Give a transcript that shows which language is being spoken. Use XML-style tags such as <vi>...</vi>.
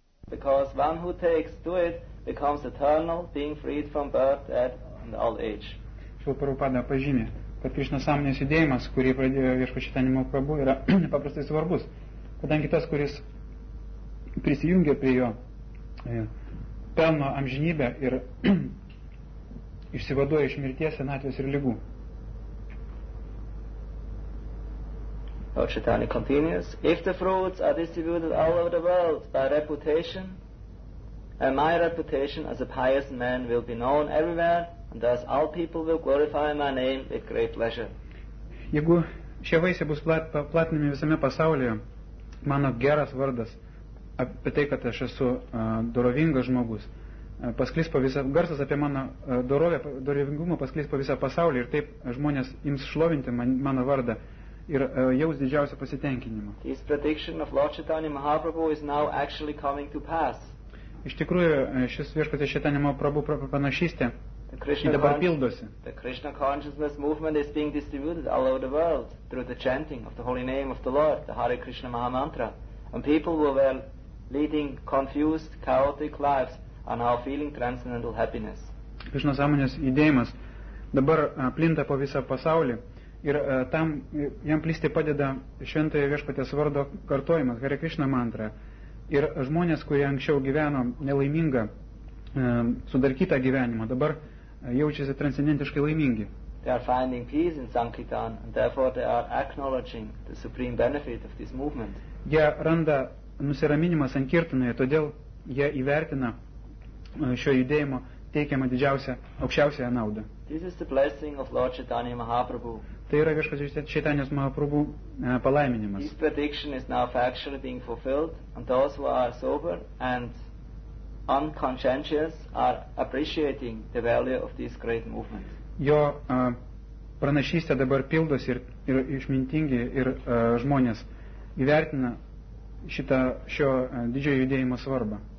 <en>Because one who takes to it becomes eternal, being freed from birth at an old age.</en> <lt>Šil Prabhupada pažymė, kad Krishna sąmonės judėjimas, kurį pradėjo viešpats Čaitanja Mahaprabhu, yra nepaprastai svarbus. Kadangi tas, kuris prisijungia prie jo pelno amžinybę ir išsivaduoja iš mirties, senatvės ir ligų.</lt> <en>Lord Chaitanya continues, if the fruits are distributed all over the world by reputation, and my reputation as a pious man will be known everywhere, and thus all people will glorify my name with great pleasure.</en> <lt>Jeigu šie vaisiai bus platinami visame pasaulyje, mano geras vardas apie tai, kad aš esu dorovingas žmogus, pasklis po visą, garsas apie mano dorovę, dorovingumą pasklis po visą pasaulį ir taip žmonės ims šlovinti mano vardą. Ir jaus didžiausią pasitenkinimą.</lt> <en>This prediction of Lord Chaitanya Mahaprabhu is now actually coming to pass.</en> <lt>Iš tikrųjų, šis viešpatie Chaitanya Mahaprabhu pranašystė dabar pildosi.</lt> <en>The Krishna consciousness movement is being distributed all over the world through the chanting of the holy name of the Lord, the Hare Krishna Maha Mantra. And people who were leading confused, chaotic lives are now feeling transcendental happiness.</en> <lt>Krishna sąmonės judėjimas dabar plinta po visą pasaulį. Ir tam jam plisti padeda šventojo viešpatės vardo kartojimas, Hare Krishna mantra. Ir žmonės, kurie anksčiau gyveno nelaimingą, sudarkytą gyvenimą, dabar jaučiasi transcendentiškai laimingi.</lt> <en>They are finding peace in Sankirtan, and therefore they are acknowledging the supreme benefit of this movement.</en> <lt>Jie randa nusiraminimą Sankirtanoje, todėl jie įvertina šio judėjimo teikiamą didžiausią, aukščiausią naudą.</lt> <en>This is the blessing of Lord Chaitanya Mahaprabhu.</en> <lt>Tai yra viešpaties Čaitanjos Mahaprabhu palaiminimas.</lt> <en>This prediction is now factually being fulfilled, and those who are sober and unconscientious are appreciating the value of this great movement.</en> <lt>Jo pranašystė dabar pildosi ir išmintingi ir žmonės įvertina šitą šio didžiojo judėjimo svarbą.</lt>